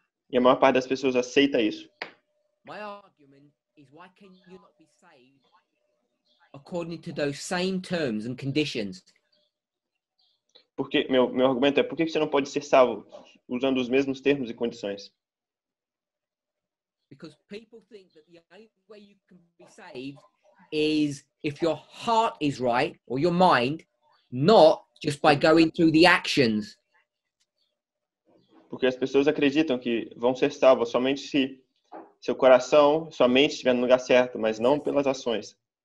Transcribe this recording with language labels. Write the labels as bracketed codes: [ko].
[pt] E a maior parte das pessoas aceita isso. Meu argumento é por que você não pode ser salvo [en] according to those same terms and conditions. [pt] Porque meu argumento é, por que você não pode ser salvo usando os mesmos termos e condições? [en] Because people think that the only way you can be saved is if your heart is right, or your mind, not just by going through the actions. [pt] Porque as pessoas acreditam que vão ser salvos somente se seu coração, sua mente estiver no lugar certo, mas não pelas ações.